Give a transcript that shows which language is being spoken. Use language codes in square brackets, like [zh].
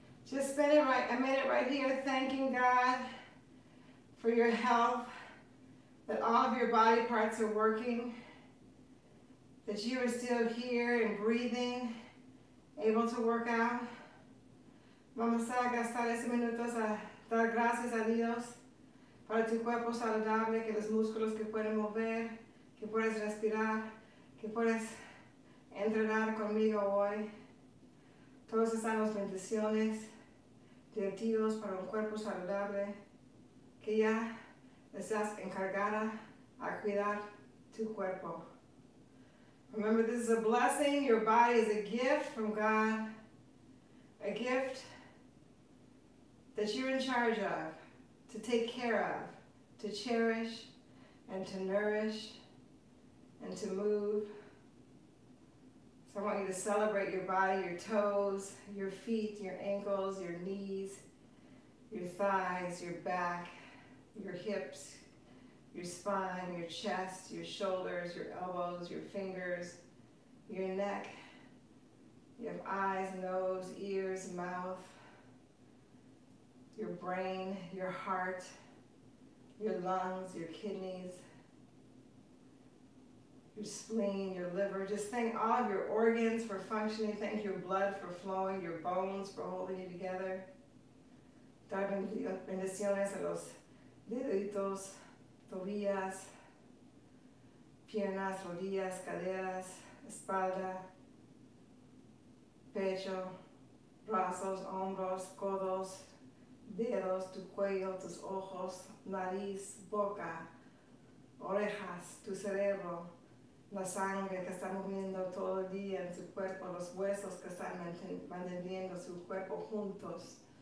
[en] just spend it right, a minute right here thanking God for your health, that all of your body parts are working, that you are still here and breathing, able to work out. [es] Vamos a gastar esos minutos a dar gracias a Dios para tu cuerpo saludable, que los músculos que puedes mover, que puedes respirar, que puedes entrenar conmigo hoy. Todos están las bendiciones directivas para un cuerpo saludable que ya estás encargada a cuidar tu cuerpo. [en] Remember, this is a blessing. Your body is a gift from God, a gift that you're in charge of, to take care of, to cherish, and to nourish, and to move. So I want you to celebrate your body, your toes, your feet, your ankles, your knees, your thighs, your back, your hips, your spine, your chest, your shoulders, your elbows, your fingers, your neck. You have eyes, nose, ears, mouth, your brain, your heart, your lungs, your kidneys, your spleen, your liver. Just thank all of your organs for functioning. Thank your blood for flowing, your bones for holding you together. [es] Dar bendiciones a los deditos, tobillas, piernas, rodillas, caderas, espalda, pecho, brazos, hombros, codos, dedos, tu cuello, tus ojos, nariz, boca, orejas, tu cerebro, la sangre que está moviendo todo el día en tu cuerpo, los huesos que están manteniendo su cuerpo juntos.